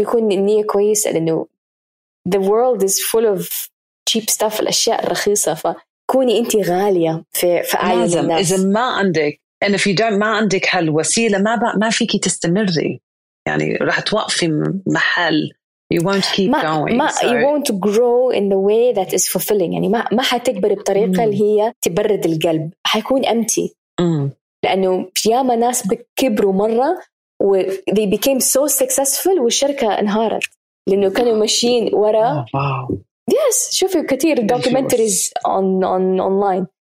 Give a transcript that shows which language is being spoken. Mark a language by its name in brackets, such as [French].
[Arabic] يكون النية كويسة، لأنه [English] the world is full of cheap stuff، [Arabic] الأشياء الرخيصة. فكوني أنت غالية في عين الناس. إذا ما عندك [English] and if you don't [Arabic] ما عندك هالوسيلة ما فيكي تستمري، يعني راح توقفي محل. [English] You won't keep going. You won't grow in the way that is fulfilling. [Arabic] يعني ما حتكبر بطريقة اللي هي تبرد القلب. حيكون empty. لأنه فيما ناس بكبروا مرة و [English] they became so successful [Arabic] والشركة انهارت لأنه كانوا ماشيين وراء. [English] Yes. [Arabic] شوفوا كتير [English] documentaries on online.